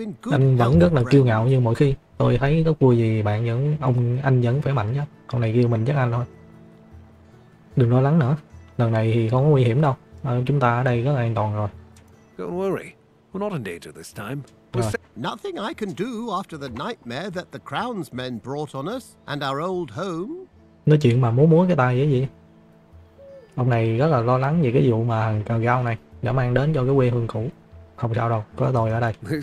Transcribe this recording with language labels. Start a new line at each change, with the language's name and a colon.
Vietnamese: Anh vẫn rất là kiêu ngạo như mọi khi. Tôi thấy rất vui vì bạn vẫn, ông anh vẫn khỏe mạnh nhá. Con này kêu mình chắc anh thôi. Đừng lo lắng nữa. Lần này thì không có nguy hiểm đâu. Chúng ta ở đây rất là an toàn rồi.
English: Don't worry. We're not in danger this time. Nothing I can do after the nightmare that the Crown's men brought on us and our old home.
Vietnamese: Nói chuyện mà múa múa cái tay vậy gì? Ông này rất là lo lắng về cái vụ mà thằng cào gao này đã mang đến cho cái quê hương cũ. Không sao đâu, có tôi ở đây.